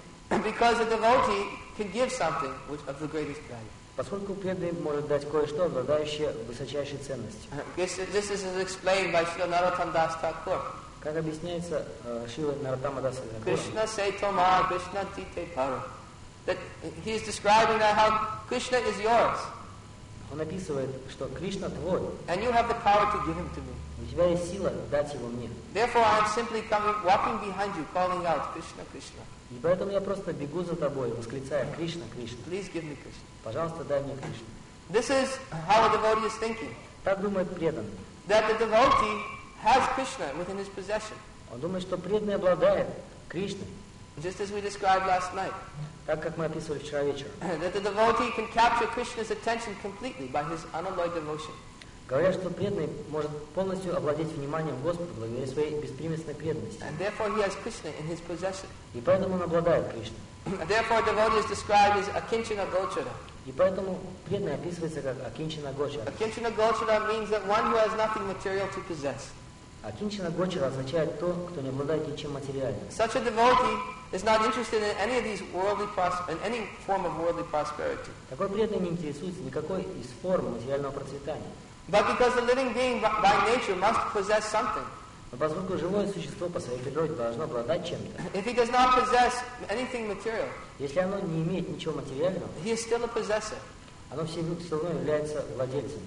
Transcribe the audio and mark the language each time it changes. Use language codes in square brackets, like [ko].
[en] Because a devotee can give something which of the greatest value. [ru] Поскольку преданный может дать кое-что, обладающее высочайшей ценностью. [en] This is explained by Śrīla Narottama Dasa Thakura. [ru] Как объясняется Шрила Наротама Даса Гора. [bn] Кришна сейтома, Кришна тите пара. [en] That he is describing that how Krishna is yours. [ru] Он описывает, что Кришна твой. [en] And you have the power to give him to me. [ru] У тебя есть сила дать его мне. [en] Therefore, I am simply coming, walking behind you, calling out, Krishna, Krishna. [ru] И поэтому я просто бегу за тобой, восклицая, Кришна, Кришна. [en] Please give me Krishna. [ru] Пожалуйста, дай мне Кришну. [en] This is how a devotee is thinking. [ru] Так думает преданный. [en] That the devotee has Krishna within his possession. [ru] Он думает, что преданный обладает Кришной. [en] Just as we described last night. [ru] Так как мы описывали вчера вечером. [en] That the devotee can capture Krishna's attention completely by his unalloyed devotion. [ru] Говорят, что преданный может полностью овладеть вниманием Господа благодаря своей беспримесной преданности. [en] And therefore he has Krishna in his possession. [ru] И поэтому он обладает Кришной. [en] And therefore, devotee is described as akinchana gochara. [ru] И поэтому преданный описывается как akinchana gochara. [en] Akinchana gochara means that one who has nothing material to possess. [ru] Akinchana gochara означает то, кто не обладает ничем материальным. [en] Such a devotee is not interested in any of these worldly in any form of worldly prosperity. [ru] Такой преданный не интересуется никакой из форм материального процветания. [en] But because the living being by nature must possess something. [ru] Но поскольку живое существо по своей природе должно обладать чем-то, [en] if he does not possess anything material, [ru] если оно не имеет ничего материального, [en] he is still a possessor, [ru] оно все равно является владельцем,